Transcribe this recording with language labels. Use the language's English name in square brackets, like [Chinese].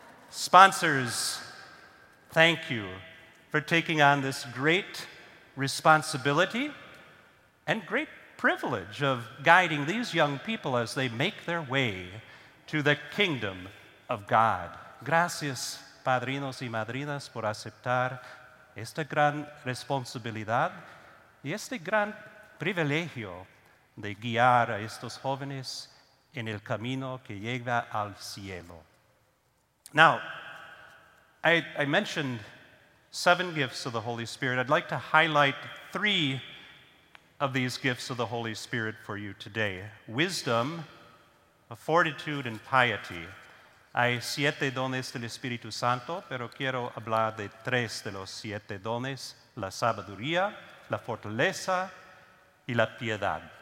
[English] Sponsors, thank you for taking on this great responsibility and great privilege of guiding these young people as they make their way to the kingdom of God. [Spanish] Gracias, padrinos y madrinas, por aceptar esta gran responsabilidad y este gran privilegio de guiar a estos jóvenes en el camino que lleva al cielo. [English] Now, I mentioned seven gifts of the Holy Spirit. I'd like to highlight three of these gifts of the Holy Spirit for you today. Wisdom, fortitude, and piety. [Spanish] Hay siete dones del Espíritu Santo, pero quiero hablar de tres de los siete dones: la sabiduría, la fortaleza, y la piedad.